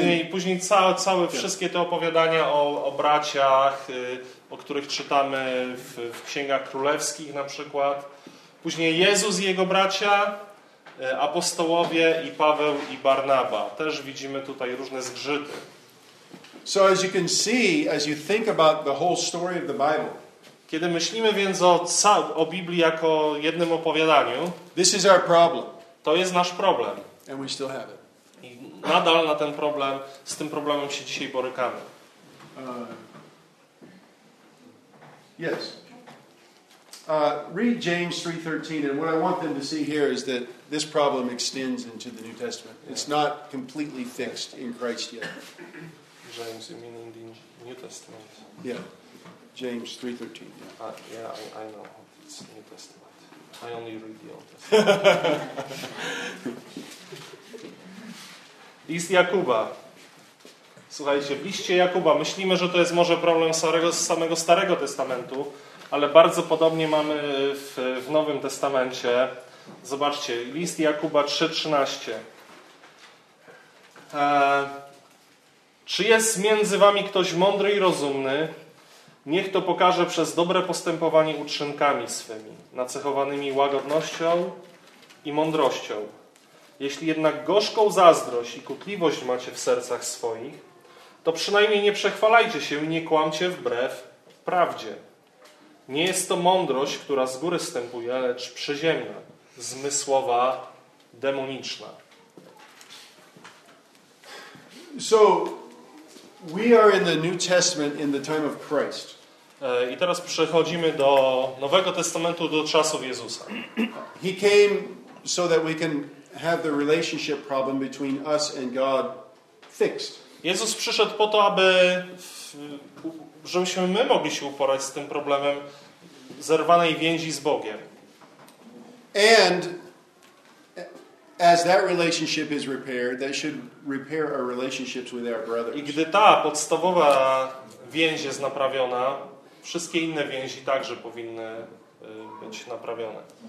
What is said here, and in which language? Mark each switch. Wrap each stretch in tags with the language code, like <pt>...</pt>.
<pl>Później całe wszystkie te opowiadania o braciach, o których czytamy w Księgach Królewskich na przykład. Później Jezus i jego bracia, apostołowie i Paweł i Barnaba. Też widzimy tutaj różne zgrzyty.</pl> <en>So as you can see, as you think about the whole story of the Bible.</en> <pl>Kiedy myślimy więc o Biblii jako jednym opowiadaniu.</pl> <en>This is our problem.</en> <pl>To jest nasz problem.</pl> <en>And we still have it.</en> <pl>I nadal na ten problem, z tym problemem się dzisiaj borykamy.</pl> <en>Yes. Read James 3:13, and what I want them to see here is that this problem extends into the New Testament. It's not completely fixed in Christ yet. James, you mean in the New Testament? Yeah. James 3:13. I know it's New Testament. I only read the Old Testament.</en> <pl>List Jakuba. Słuchajcie, w liście Jakuba myślimy, że to jest może problem samego Starego Testamentu, ale bardzo podobnie mamy w Nowym Testamencie. Zobaczcie, list Jakuba 3:13. Czy jest między wami ktoś mądry i rozumny? Niech to pokaże przez dobre postępowanie uczynkami swymi, nacechowanymi łagodnością i mądrością. Jeśli jednak gorzką zazdrość i kutliwość macie w sercach swoich, to przynajmniej nie przechwalajcie się i nie kłamcie wbrew prawdzie. Nie jest to mądrość, która z góry wstępuje, lecz przyziemna, zmysłowa, demoniczna.</pl> <en>So, we are in the New Testament in the time of Christ.</en> <pl>I teraz przechodzimy do Nowego Testamentu, do czasów Jezusa.</pl> <en>He came so that we can have the relationship problem between us and God fixed.</en> <pl>Jezus przyszedł po to, aby żebyśmy my mogli się uporać z tym problemem zerwanej więzi z Bogiem.</pl> <en>And as that relationship is repaired, that should repair our relationships with our brothers.</en> <pl>I gdy ta podstawowa więź jest naprawiona, wszystkie inne więzi także powinny być naprawione.</pl>